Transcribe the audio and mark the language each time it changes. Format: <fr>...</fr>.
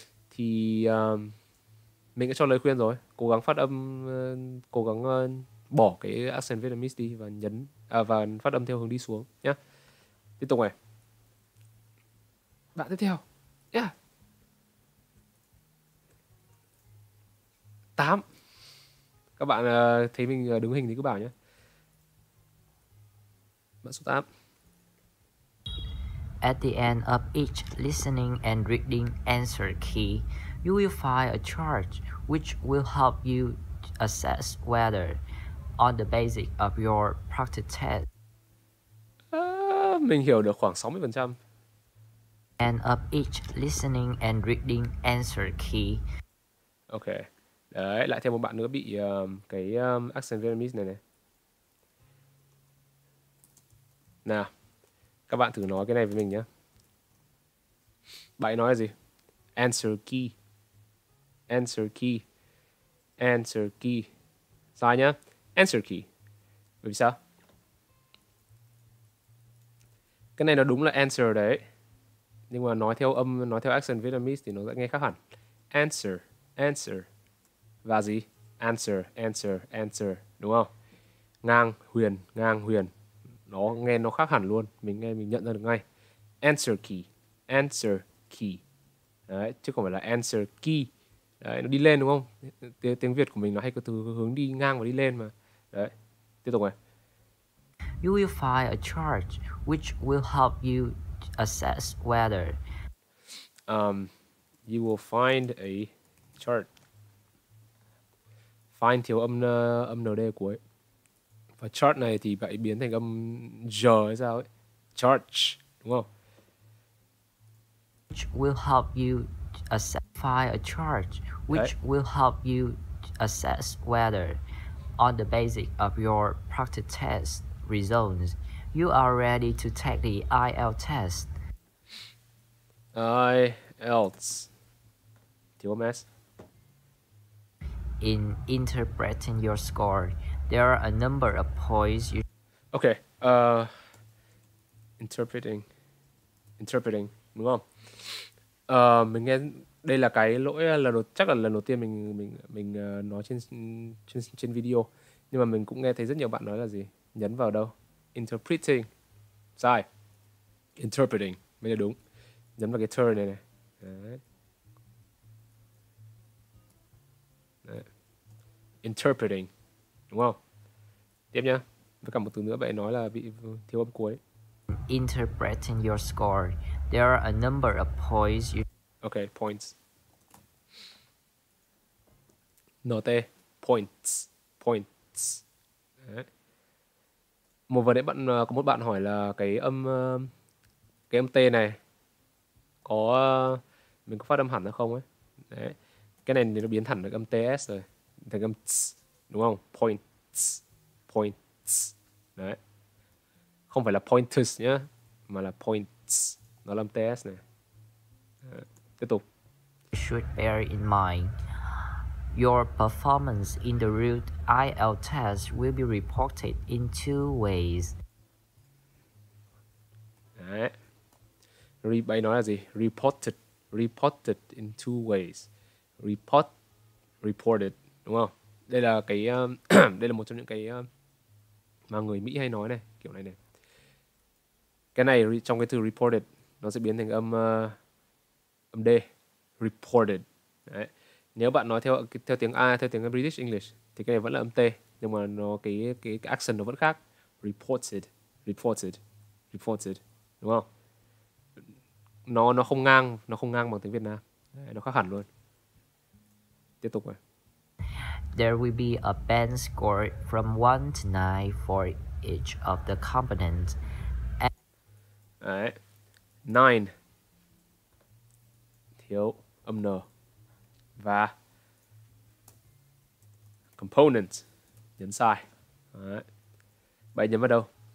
<vi>Thì mình đã cho lời khuyên rồi, cố gắng phát âm, cố gắng bỏ cái accent Vietnamese đi và nhấn và phát âm theo hướng đi xuống nhá. Tiếp tục này, bạn tiếp theo. Yeah. 8. Các bạn thấy mình đứng hình thì cứ bảo nhé. Bạn số 8.</vi> <en>At the end of each listening and reading answer key, you will find a chart which will help you assess whether on the basis of your practice test.</en> <vi>Mình hiểu được khoảng 60%.</vi> <en>End of each listening and reading answer key. Ok.</en> <vi>Đấy, lại thêm một bạn nữa bị accent Vietnamese này. Nào. Các bạn thử nói cái này với mình nhé. Bạn nói là gì? Answer key. Answer key. Answer key. Sai nhá. Answer key. Bởi vì sao? Cái này nó đúng là answer đấy. Nhưng mà nói theo âm, nói theo accent Vietnamese thì nó sẽ nghe khác hẳn. Answer. Answer. Và gì? Answer. Answer. Answer. Đúng không? Ngang huyền. Ngang huyền. Nó nghe nó khác hẳn luôn. Mình nghe mình nhận ra được ngay. Answer key. Answer key. Đấy. Chứ không phải là answer key. Đấy. Nó đi lên đúng không? Tiếng Việt của mình nó hay có từ hướng đi ngang và đi lên mà. Đấy. Tiếp tục này.</vi> <en>You will find a chart which will help you assess whether. You will find a chart.</en> <vi>Find thiếu âm nd cuối. Và chart này thì phải biến thành âm j hay sao ấy. Chart, đúng không?</vi> <en>Which will help you assess find a chart which</en> <vi>đấy.</vi> <en>Will help you assess whether on the basis of your practice test results, you are ready to take the IELTS test.</en> <vi>IELTS. Thiếu âm S.</vi> <en>In interpreting your score, there are a number of points you. Okay.</en> <vi>Interpreting. Interpreting. Đúng không? Mình nghe đây là cái lỗi lần đầu, chắc là lần đầu tiên mình nói trên trên trên video, nhưng mà mình cũng nghe thấy rất nhiều bạn nói là gì, nhấn vào đâu, interpreting sai, interpreting mới là đúng, nhấn vào cái turn này này. Đấy. Interpreting đúng không? Tiếp nhá, với cả một từ nữa bạn nói là bị thiếu âm cuối.</vi> <en>Interpreting your score, there are a number of points you... Okay, points. Note, points, points. Đấy.</en> <vi>Một vấn đề bạn có một bạn hỏi là cái âm t này có mình có phát âm hẳn nó không ấy. Đấy. Cái này thì nó biến thẳng được âm ts rồi thành âm ts đúng không? Points, points. Đấy. Không phải là pointers nhá, mà là points. Nó là âm ts này. Tiếp tục.</vi> <en>You should bear in mind your performance in the real IELTS test will be reported in two ways.</en> <vi>Đấy. Bài nói là gì?</vi> <en>Reported, reported in two ways.</en> <vi>Report, reported, đúng không? Đây là cái đây là một trong những cái mà người Mỹ hay nói này, kiểu này này. Cái này trong cái từ reported nó sẽ biến thành âm âm d, reported. Đấy. Nếu bạn nói theo tiếng A, theo tiếng British English thì cái này vẫn là âm t, nhưng mà nó cái accent nó vẫn khác. Reported, reported, reported, đúng không? Nó không ngang, nó không ngang bằng tiếng Việt Nam. Đấy, nó khác hẳn luôn. Tiếp tục rồi.</vi> <en>There will be a band score from 1 to 9 for each of the components.</en> <vi>Đấy. 9. Thiếu âm n. Và components. Nhấn sai. Đấy. Bạn nhấn vào đâu?</vi>